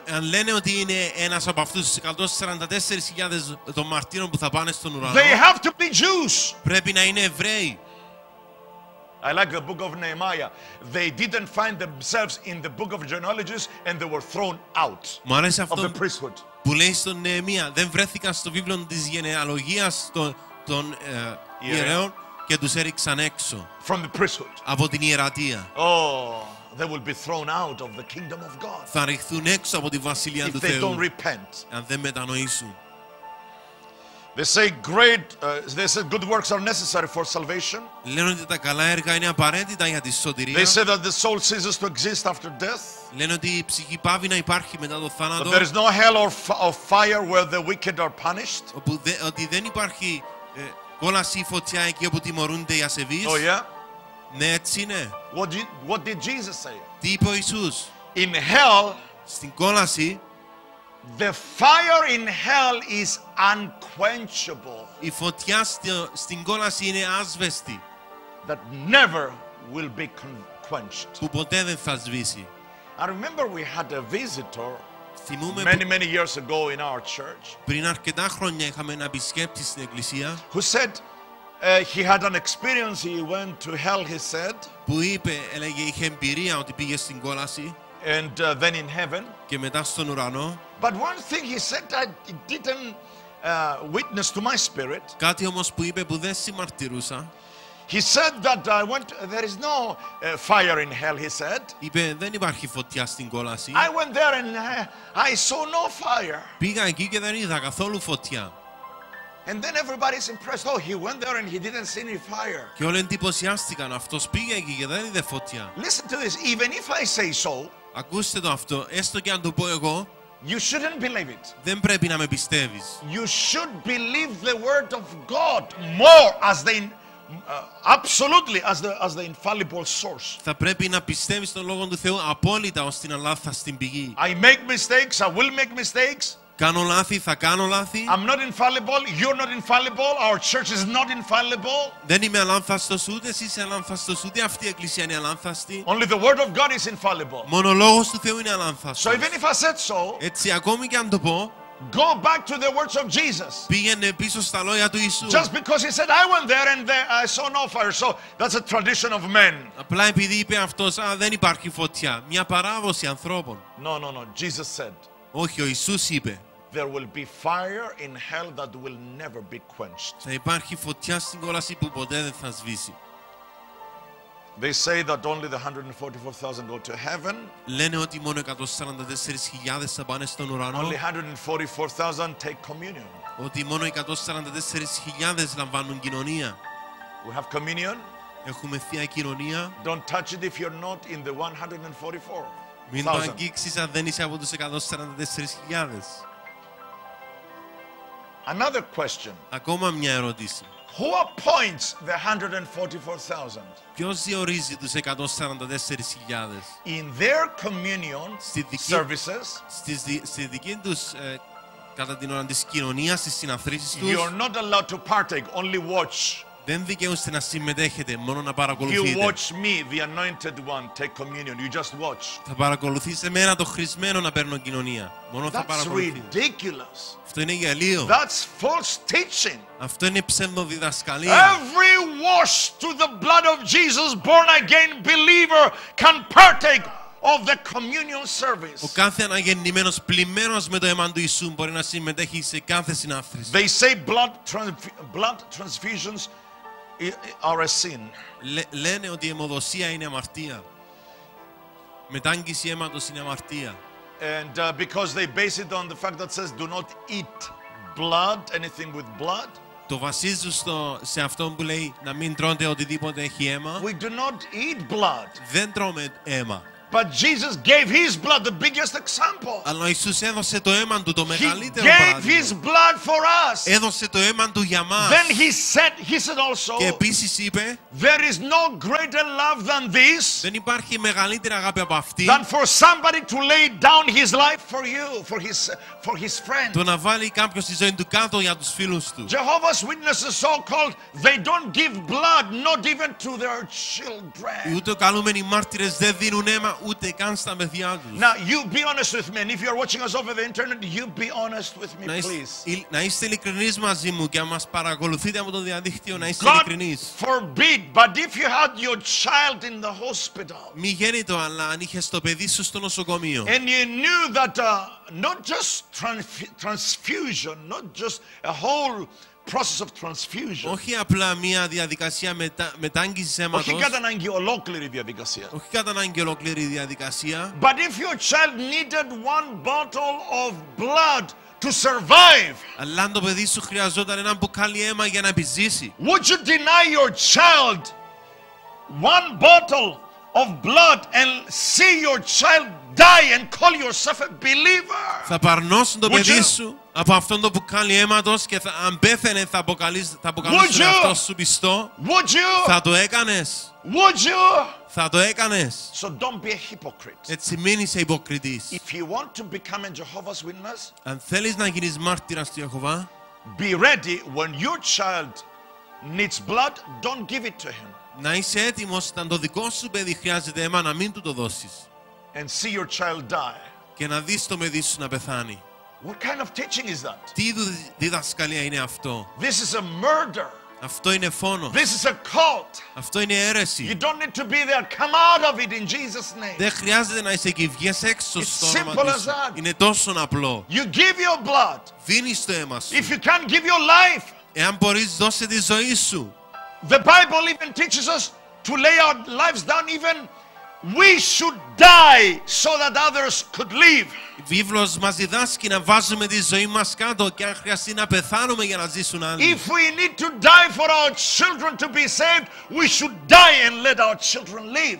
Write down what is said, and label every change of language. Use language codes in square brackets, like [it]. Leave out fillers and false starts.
[el] Εάν λένε ότι είναι ένας από αυτούς τους 144,000 των μαρτύρων που θα πάνε στον ουρανό. [en] They have to be Jews. [el] Πρέπει να είναι Εβραίοι. [en] I like the book of Nehemiah. They didn't find themselves in the book of genealogies and they were thrown out of the priesthood. [el] Που λέει στον Νεεμία, δεν βρέθηκαν στο βίβλιο της γενεαλογίας των ιερέων και τους έριξαν έξω [en] from the priesthood. [el] Από την ιερατεία. [en] Oh, they will be thrown out of the kingdom of God. [el] Θα ρηχθούν έξω από τη βασιλεία του Θεού. [en] If they don't repent. [el] Αν δεν μετανοήσουν. [en] They say great. They say good works are necessary for salvation. [el] Λένε ότι τα καλά έργα είναι απαραίτητα για τη σωτηρία. [en] They say that the soul ceases to exist after death. [el] Λένε ότι η ψυχή πάβει να υπάρχει μετά το θάνατο. [en] But there is no hell or fire where the wicked are punished. [el] Ότι δεν υπάρχει κόλαση ή φωτιά εκεί όπου τιμωρούνται οι ασεβείς. [en] Oh yeah. [el] Ναι, έτσι είναι. [en] What did Jesus say? [el] Τι είπε ο Ιησούς? [en] In hell. [el] Στην κόλαση. [en] The fire in hell is unquenchable. [el] Η φωτιά στην κόλαση είναι άσβεστη. [en] That never will be quenched. [el] Που ποτέ δεν θα σβήσει. [en] I remember we had a visitor. [el] Θυμούμε [en] many years ago in our church. [el] Πριν αρκετά χρόνια είχαμε έναν επισκέπτη στην εκκλησία. [en] Who said he had an experience? He went to hell. He said. [el] Που είπε, έλεγε, είχε εμπειρία ότι πήγε στην κόλαση. [en] And then in heaven. [el] Και μετά στον ουρανό. [en] But one thing he said that didn't witness to my spirit. [el] Κάτι όμως που είπε που δεν συμμαρτυρούσα. [en] He said that I went. There is no fire in hell. He said. [el] Είπε δεν υπάρχει φωτιά στην κόλαση. [en] I went there and I saw no fire. [el] Πήγα εκεί και δεν είδα καθόλου φωτιά. [en] And then everybody's impressed. Oh, he went there and he didn't see any fire. [el] Και όλοι εντυπωσιάστηκαν. Αυτός πήγε εκεί και δεν είδε φωτιά. [en] Listen to this. Even if I say so. [el] Ακούστε το αυτό. Έστω και αν το πω εγώ. [en] You shouldn't believe it. [el] Δεν πρέπει να με πιστεύεις. [en] You should believe the word of God more as the absolutely as the infallible source. [el] Θα πρέπει να πιστεύεις τον λόγο του Θεού απόλυτα ως την αλάθαστη πηγή. [en] I make mistakes. I will make mistakes. [el] Κάνω λάθη, θα κάνω λάθη. [en] I'm not infallible. You're not infallible. Our church is not infallible. [el] Δεν είμαι αλάνθαστος, ούτε εσείς αλάνθαστος, ούτε αυτή η εκκλησία είναι αλάνθαστη. [en] Only the word of God is infallible. [el] Μόνο λόγος του Θεού είναι αλάνθαστος. [en] So even if I said so. [el] Έτσι ακόμη και αν το πω. [en] Go back to the words of Jesus. [el] Πήγαινε πίσω στα λόγια του Ιησού. [en] Just because he said I went there and there I saw no fire. So that's a tradition of men. [el] Απλά επειδή είπε αυτός, α, δεν υπάρχει φωτιά. Μια παράδοση ανθρώπων. [en] No. Jesus said. [el] Όχι, ο Ιησούς είπε. [en] There will be fire in hell that will never be quenched. [el] Θα υπάρχει φωτιά στην κόλαση που ποτέ δεν θα σβήσει. [en] They say that only the 144,000 go to heaven. [el] Λένε ότι μόνο 144,000 θα πάνε στον ουρανό. [en] Only 144,000 take communion. [el] Ότι μόνο 144,000 λαμβάνουν κοινωνία. [en] We have communion. [el] Έχουμε θεία κοινωνία. [en] Don't touch it if you're not in the 144. [el] Μην το αγγίξεις αν δεν είσαι από τους 144,000. [en] Another question. [el] Ακόμα μια ερώτηση. [en] Who appoints the 144,000? [el] Ποιος διορίζει τους 144,000? [en] In their communion services. [el] Στη δική τους κατά την ώρα της κοινωνίας, στις συναθρήσεις τους. [en] You are not allowed to partake, only watch. [el] Δεν δικαιούστε να συμμετέχετε, μόνο να παρακολουθείτε. [en] You watch me, the anointed one, take communion. You just watch. [el] Θα παρακολουθείς εμένα, το χρησμένο, να παίρνω κοινωνία. Μόνο θα παρακολουθείτε. [en] That's ridiculous. [el] Αυτό είναι γελίο. [en] That's false teaching. [el] Αυτό είναι ψευδοδιδασκαλία. [en] Every wash to the blood of Jesus, born again believer, can partake of the communion service. [el] Ο κάθε αναγεννημένος πλημμένος με το αίμα του Ιησού μπορεί να συμμετέχει σε κάθε συνάθρηση. [en] They say blood transfusions are a sin. [el] Λένε ότι η αιμοδοσία είναι αμαρτία. Μετάγγιση αίματος είναι αμαρτία. [en] And because they base it on the fact that says do not eat blood, anything with blood. [el] Το βασίζουν σε αυτόν που λέει να μην τρώνε οτιδήποτε έχει αίμα. [en] We do not eat blood. [el] Δεν τρώμε αίμα. [en] But Jesus gave his blood, the biggest example. [el] Αλλά ο Ιησούς έδωσε το αίμα του, το μεγαλύτερο παράδειγμα. [en] He gave his blood for us. [el] Έδωσε το αίμα του για μας. [en] Then he said also. [el] Και επίσης είπε. [en] There is no greater love than this. [el] Δεν υπάρχει μεγαλύτερη αγάπη από αυτή. [en] Than for somebody to lay down his life for you, for his friend. [el] Το να βάλει κάποιος τη ζωή του κάτω για τους φίλους του. [en] Jehovah's Witnesses, so-called, they don't give blood, not even to their children. [el] Ούτε καλούμενοι μάρτυρες δεν δίνουν αίμα. Ούτε καν στα παιδιά τους. [en] Now you be honest with me, and if you are watching us over the internet, you be honest with me, please. [el] Να είστε ειλικρινείς μαζί μου και αν μας παρακολουθείτε από το διαδίκτυο, να είστε ειλικρινείς. [en] God forbid, but if you had your child in the hospital. [el] Μη γέννητο, αλλά αν είχες το παιδί σου στο νοσοκομείο. [en] And you knew that not just transfusion, not just a whole process of transfusion. [el] Όχι απλά μια διαδικασία μετάγγισης αίματος. Όχι κατά ανάγκη ολόκληρη διαδικασία. Όχι κατά ανάγκη ολόκληρη διαδικασία. [en] But if your child needed one bottle of blood to survive. [el] Αλλά αν το παιδί σου χρειαζόταν ένα μπουκάλι αίμα για να επιζήσει. [en] Would you deny your child one bottle of blood and see your child die and call yourself a believer? [el] Θα παρνώσουν το παιδί σου από αυτόν το μπουκάλι αίματος και θα, αν πέθαινε θα αποκαλείσαι τον εαυτό σου πιστό. [en] Would you? [el] Θα το έκανες. [en] Would you? [el] Θα το έκανες. [en] So don't be a hypocrite. [el] Έτσι μην είσαι υποκριτής. [en] If you want to become a Jehovah's Witness, [el] αν θέλεις να γίνεις μάρτυρας του Ιεχωβά, [en] be ready when your child needs blood, don't give it to him. [el] Να είσαι έτοιμος όταν το δικό σου παιδί χρειάζεται αίμα να μην του το δώσεις. [en] And see your child die. [el] Και να δεις το παιδί σου να πεθάνει. [en] What kind of teaching is that? [el] Τι είδου διδασκαλία είναι αυτό? [en] This is a murder. [el] Αυτό είναι φόνος. [en] This is a cult. [el] Αυτό είναι αίρεση. [en] You don't need to be there. Come out of it in Jesus' name. [el] Δεν χρειάζεται να είσαι εκεί. Βγες έξω στο όνομα. [en] Simple as that. [el] Είναι τόσο απλό. [en] You give your blood. [el] Δίνεις το αίμα σου. [en] If you can't give your life. [el] Εάν μπορείς, δώσε τη ζωή σου. [en] The Bible even teaches us to lay our lives down even. We should die so that others could live. [el] Η Βίβλος μας διδάσκει να βάζουμε τη ζωή μας κάτω και αν χρειαστεί να πεθάνουμε για να ζήσουν άλλοι. [en] If we need to die for our children to be saved, we should die and let our children live.